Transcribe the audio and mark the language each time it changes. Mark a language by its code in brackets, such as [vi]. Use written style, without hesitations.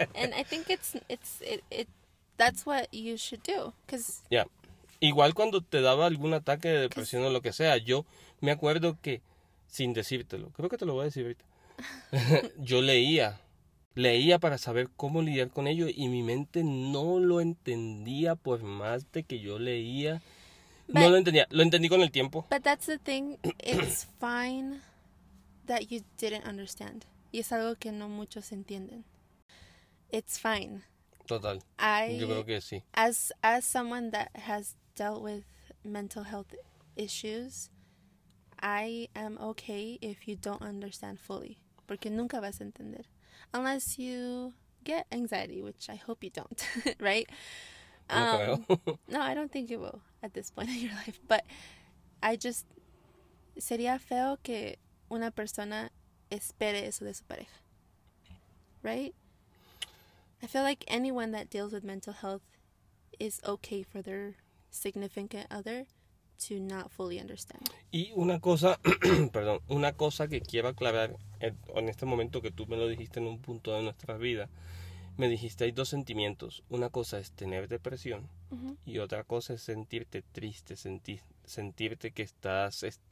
[en] And I think it's that's what you should do, 'cause Yeah. [es] Igual cuando te daba algún ataque de depresión o lo que sea, yo me acuerdo que, sin decírtelo, creo que te lo voy a decir ahorita, yo leía. Leía para saber cómo lidiar con ello y mi mente no lo entendía por más de que yo leía. No lo entendía. Lo entendí con el tiempo. [en] but that's the thing, it's fine that you didn't understand. [es] Y es algo que no muchos entienden. [en] It's fine. [es] Total. Yo creo [en] I, [es] que sí. [en] as someone that has dealt with mental health issues, I am okay if you don't understand fully. [es] Porque nunca vas a entender. [en] Unless you get anxiety, which I hope you don't, right? [es] No creo. [en] No, I don't think you will at this point in your life. But I just, [es] sería feo que una persona espere eso de su pareja. [en] Right? I feel like anyone that deals with mental health is okay for their significant other to not fully understand. [es] Y una cosa, perdón, una cosa que quiero aclarar en este momento que tú me lo dijiste en un punto de nuestra vida. Me dijiste, hay dos sentimientos. Una cosa es tener depresión y otra cosa es sentirte triste, sentirte que estás,